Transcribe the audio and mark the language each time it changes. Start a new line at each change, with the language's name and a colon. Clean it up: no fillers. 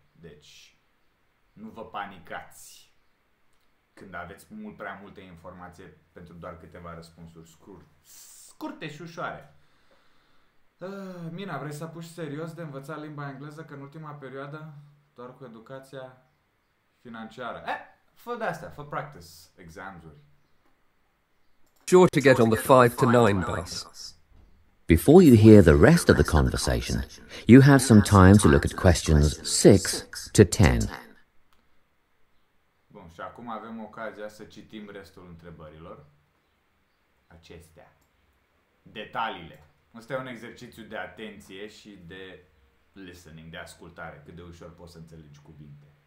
Romanian: Deci, nu vă panicați când aveți mult prea multe informații pentru doar câteva răspunsuri scurte și ușoare. Mina, vrei să apuci serios de învățat limba engleză, că în ultima perioadă doar cu educația financiară? Fă de-astea, fă
English: practice exams-uri. Sure to get on the 5 to 9 bus. Before you hear the rest of the conversation, you have some time to look at questions 6 to 10.
Romanian: Bun, și acum avem ocazia să citim restul întrebărilor. Acestea. Detaliile. Asta e un exercițiu de atenție și de listening, de ascultare. Cât de ușor poți să înțelegi cuvinte.